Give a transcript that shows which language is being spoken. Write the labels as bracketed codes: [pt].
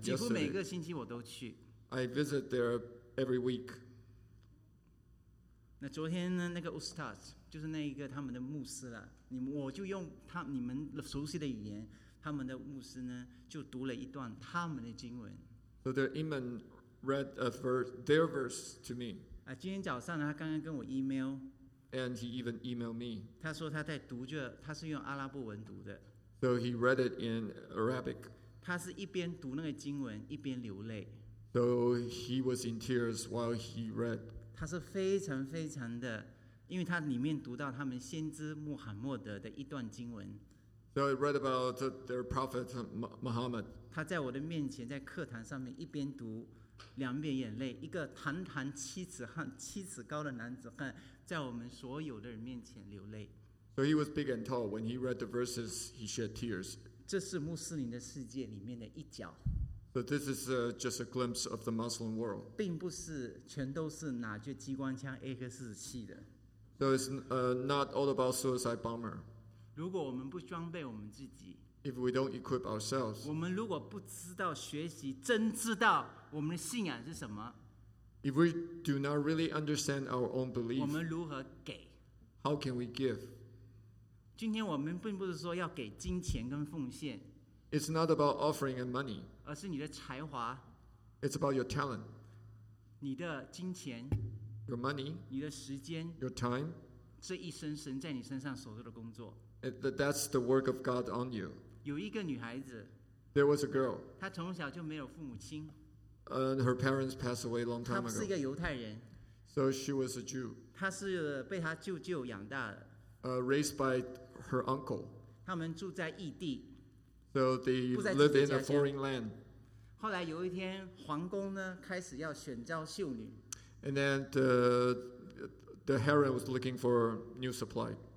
[zh] 几乎每个星期我都去。 [en] I visit there every week. [zh] 那昨天呢，那个 ustaz 就是那一个他们的牧师了。我就用你们熟悉的语言，他们的牧师呢就读了一段他们的经文。 [en] So the imam read a verse, their verse to me. [zh] 今天早上呢，他刚刚跟我 email。 [en] And he even emailed me. [zh] 他说他在读着，他是用阿拉伯文读的。 [en] So he read it in Arabic. [zh] 他是一边读那个经文，一边流泪。 [en] So he was in tears while he read. [zh] 他是非常非常的，因为他里面读到他们先知穆罕默德的一段经文。 [en] So he read about their prophet Muhammad. [zh] 他在我的面前，在课堂上面一边读，两边眼泪。一个堂堂七尺高的男子汉。在我们所有的人面前流泪。 [en] So he was big and tall. When he read the verses, he shed tears. [zh] 这是穆斯林的世界里面的一角。 [en] But this is just a glimpse of the Muslim world. [zh] 并不是全都是拿着机关枪 AK-47 的。 [en] So it's not all about suicide bomber. [zh] 如果我们不装备我们自己， [en] if we don't equip ourselves, [zh] 我们如果不知道学习，真知道我们的信仰是什么。 [en] If we do not really understand our own belief, [zh] 我们如何给？ [en] How can we give? [zh] 今天我们并不是说要给金钱跟奉献。 [en] It's not about offering and money. [zh] 而是你的才华。 [en] It's about your talent. [zh] 你的金钱。 [en] Your money. [zh] 你的时间。 [en] Your time. [zh] 这一生神在你身上所做的工作。 [en] That's the work of God on you. [zh] 有一个女孩子。 [en] There was a girl. [zh] 她从小就没有父母亲。 [en] Her parents passed away a long time ago. [zh] 她是一个犹太人。 [en] So she was a Jew. [zh] 她是被她舅舅养大的。 [en] Raised by her uncle. [zh] 他们住在异地。 [en] So they live in a foreign land. [zh] 后来有一天，皇宫呢开始要选召秀女。 [en] And then the harem was looking for new supply.